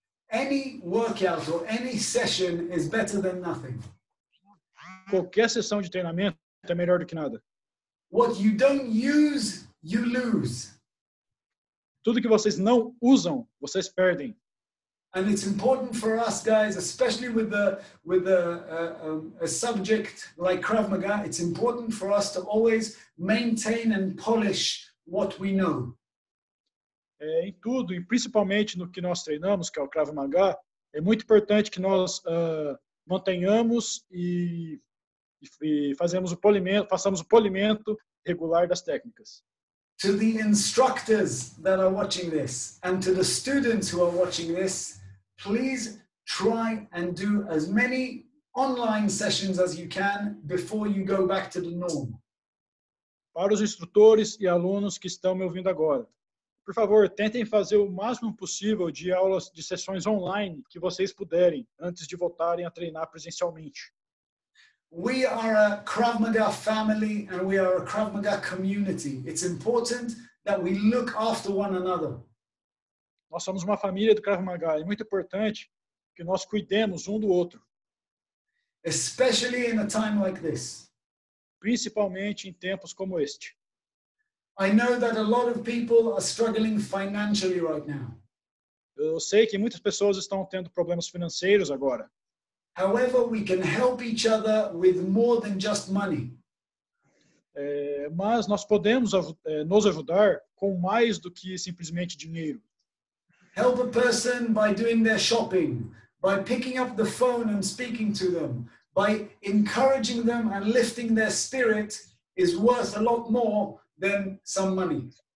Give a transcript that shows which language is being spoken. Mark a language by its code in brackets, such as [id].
[en] Any workout or any session is better than nothing. [pt] Qualquer sessão de treinamento é melhor do que nada. [en] What you don't use, you lose. [pt] Tudo que vocês não usam, vocês perdem. [en] And it's important for us guys, especially with a subject like Krav Maga, it's important for us to always maintain and polish what we know. [pt] É, em tudo, e principalmente no que nós treinamos, que é o Krav Maga, é muito importante que nós mantenhamos e façamos o polimento regular das técnicas. [en] To the instructors that are watching this and to the students who are watching this, please try and do as many online sessions as you can before you go back to the norm. [pt] Para os instrutores e alunos que estão me ouvindo agora, por favor, tentem fazer o máximo possível de aulas de sessões online que vocês puderem antes de voltarem a treinar presencialmente. [en] We are a Krav Maga family and we are a Krav Maga community. It's important that we look after one another. [pt] Nós somos uma família do Krav Maga. É muito importante que nós cuidemos um do outro. [en] Especially in a time like this. [pt] Principalmente em tempos como este. [en] I know that a lot of people are struggling financially right now. [pt] Eu sei que muitas pessoas estão tendo problemas financeiros agora. [en] However, we can help each other with more than just money. [pt] Mas nós podemos nos ajudar com mais do que simplesmente dinheiro. [en] Help a person by doing their shopping, by picking up the phone and speaking to them, by encouraging them and lifting their spirit is worth a lot more than some money.